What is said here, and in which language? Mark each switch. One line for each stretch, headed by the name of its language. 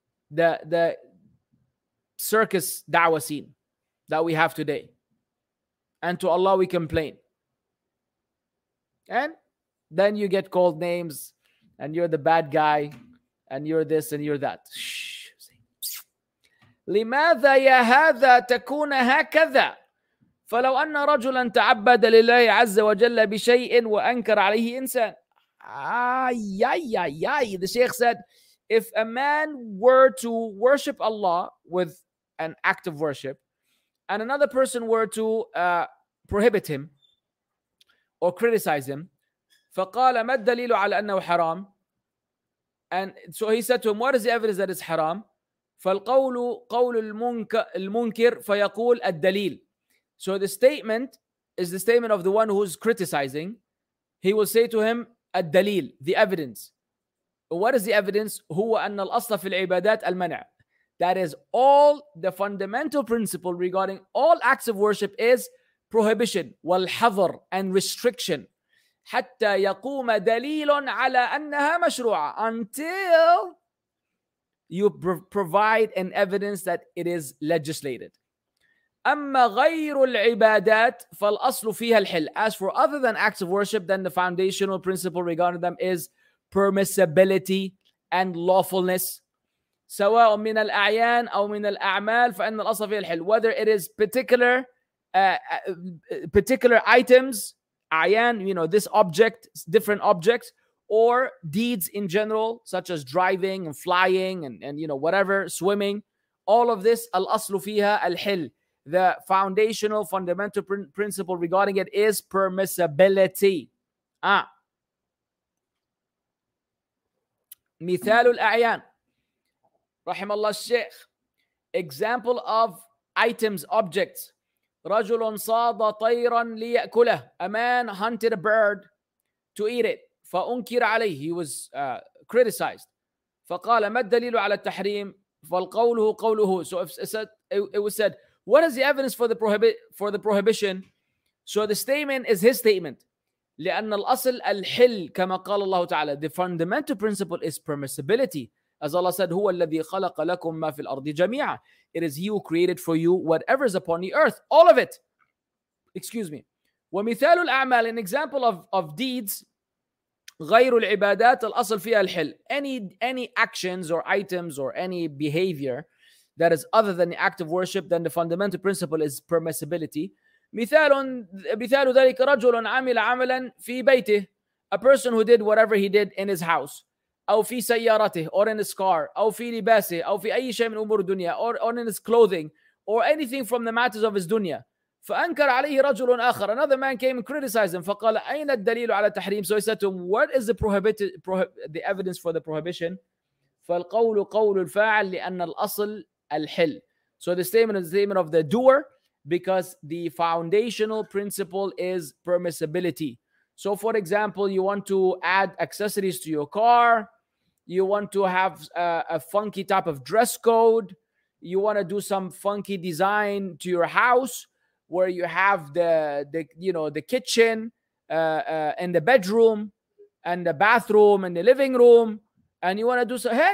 English: The circus da'wah scene that we have today. And to Allah we complain. And then you get called names. And you're the bad guy, and you're this, and you're that.
Arabic: لماذا يا هذا تكون هكذا؟ فلو أن رجلا تعبد لله عز وجل بشيء وأنكر عليه إنسان.
English: The Sheikh said, if a man were to worship Allah with an act of worship, and another person were to prohibit him or criticize him,
Arabic: فقال ما الدليل على أنه حرام؟
English: And so he said to him, what is the evidence that it's haram?
Arabic: فَالْقَوْلُ قَوْلُ الْمُنْكِرِ فَيَقُولُ الدَّلِيلُ.
English: So the statement is the statement of the one who's criticizing. He will say to him, الدليل, the evidence. What is the evidence?
Arabic: هُوَ أَنَّ الْأَصْلَ فِي الْعِبَادَاتِ الْمَنَعِ.
English: That is all the fundamental principle regarding all acts of worship is prohibition, والحظر and restriction,
Arabic: حتى يقوم دليل على أنها مشروعة,
English: until you provide an evidence that it is legislated.
Arabic: أما غير العبادات فالأصل فيها الحل.
English: As for other than acts of worship, then the foundational principle regarding them is permissibility and lawfulness.
Arabic: سواء من الأعيان أو من الأعمال فإن الأصل فيها الحل.
English: Whether it is particular items, أعيان, you know, this object, different objects, or deeds in general, such as driving and flying and you know, whatever, swimming, all of this,
Arabic: الأصل فيها الحل.
English: The foundational, fundamental principle regarding it is permissibility.
Arabic: مثال الأعيان. رحم الله الشيخ.
English: Example of items, objects.
Arabic: رجل صاد طيرا ليأكله.
English: A man hunted a bird to eat it.
Arabic: فأنكر عليه.
English: He was criticized.
Arabic: فقال ما الدليل على التحريم؟ فالقوله قوله.
English: So it was said, what is the evidence for the prohibition? So the statement is his statement.
Arabic: لأن الأصل الحل كما قال الله تعالى.
English: The fundamental principle is permissibility. As Allah said,
Arabic: هو الذي خلق لكم ما في الأرض جميعا.
English: It is he who created for you whatever is upon the earth. All of it. Excuse me.
Arabic: ومثال الأعمال,
English: an example of deeds,
Arabic: غير العبادات, الأصل فيها الحل.
English: Any actions or items or any behavior that is other than the act of worship, then the fundamental principle is permissibility.
Arabic: مثال ذلك رجل عمل عملا في بيته.
English: A person who did whatever he did in his house.
Arabic: أو في سيارته,
English: or in his car.
Arabic: أو في لباسه, أو في أي شيء من أمور الدنيا.
English: Or in his clothing. Or anything from the matters of his dunya.
Arabic: فأنكر عليه رجل آخر.
English: Another man came and criticized him.
Arabic: فقال أين الدليل على التحريم?
English: So he said to him, what is the evidence for the prohibition?
Arabic: فالقول قول الفاعل لأن الأصل الحل.
English: So the statement is the statement of the doer, because the foundational principle is permissibility. So for example, you want to add accessories to your car, you want to have a funky type of dress code, you want to do some funky design to your house where you have the you know, the kitchen and the bedroom and the bathroom and the living room, and you want to do so.